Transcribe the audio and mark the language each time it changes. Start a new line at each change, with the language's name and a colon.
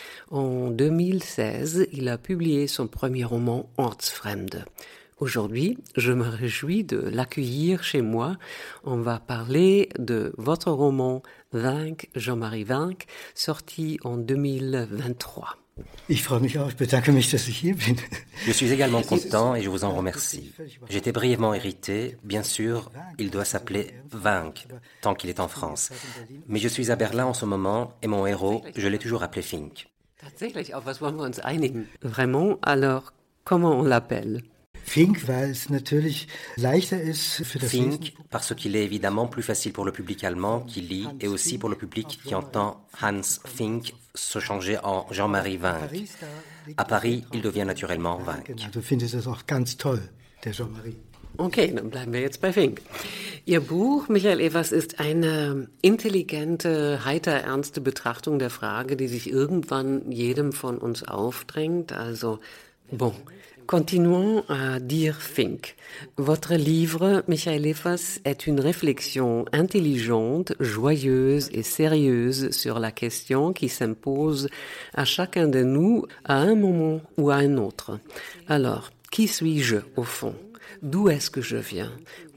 French: En 2016, il a publié son premier roman « Ortsfremde ». Aujourd'hui, je me réjouis de l'accueillir chez moi. On va parler de votre roman « Vinck, Jean-Marie Vinck », sorti en 2023.
German: Ich freue mich auch, ich bedanke mich, dass ich hier bin.
French: Je suis également content et je vous en remercie. J'étais brièvement irrité. Bien sûr, il doit s'appeler Vinck, tant qu'il est en France. Mais je suis à Berlin en ce moment et mon héros, je l'ai toujours appelé Fink.
German: Tatsächlich, auf was wollen wir uns einigen?
French: Vraiment, alors, comment on l'appelle?
German: Fink, weil es natürlich leichter ist für das
French: Fink, parce qu'il est évidemment plus facile pour le public allemand qui lit et aussi pour le public qui entend Hans Fink se changer en Jean-Marie Vinck. À Paris, il devient naturellement Vinck.
German: Du findest es auch ganz toll, der Jean-Marie. Okay, dann bleiben wir jetzt bei Fink. Ihr Buch, Michael Effas, ist eine intelligente, heiter ernste Betrachtung der Frage, die sich irgendwann jedem von uns aufdrängt. Also,
French: bon. Continuons à dire Fink. Votre livre, Michael Effas, est une réflexion intelligente, joyeuse et sérieuse sur la question qui s'impose à chacun de nous à un moment ou à un autre. Alors, qui suis-je au fond ? D'où est-ce que je viens ?